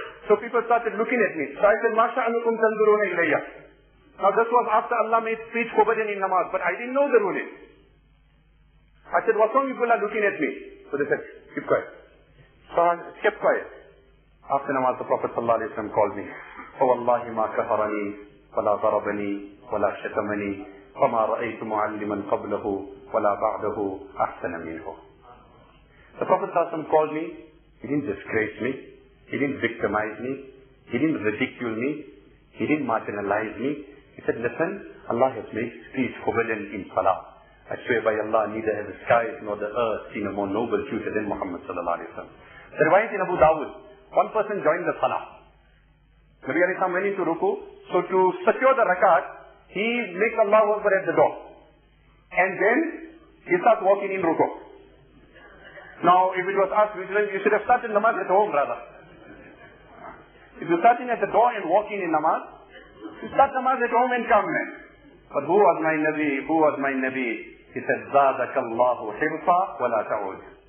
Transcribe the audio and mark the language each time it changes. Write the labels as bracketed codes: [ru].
[en] So people started looking at me. So I said, [ar] Masha'anukum tanduruna ilayya. [en] Now this was after Allah made speech forbidden in namaz, but I didn't know the ruling. I said, what's wrong, you people are looking at me? So they said, keep quiet. So I kept quiet. After Namaz, the Prophet صلى الله عليه وسلم called me. [ar] فوالله ما كفرني ولا ضربني ولا شتمني فما رأيت معلما قبله ولا بعده أحسن منه. [en] The Prophet صلى الله عليه وسلم called me. He didn't disgrace me. He didn't victimize me. He didn't ridicule me. He didn't marginalize me. He said, listen, Allah has made speech equivalent in salah. I swear by Allah, neither has the skies nor the earth seen a more noble future than Muhammad sallallahu alayhi wa sallam. The riwayat in Abu Dawud, one person joined the salah. Nabi alayhi wa sallam went into ruku. So to secure the rakat, he makes Allah over at the door. And then he starts walking in ruku. Now if it was us, you should have started namaz at home, brother. If you're starting at the door and walking in namaz, you start namaz at home and come in. But who was my Nabi? Who was my Nabi? He said, [ar] زَادَكَ اللَّهُ حِرْصًا وَلَا تَعُودُ.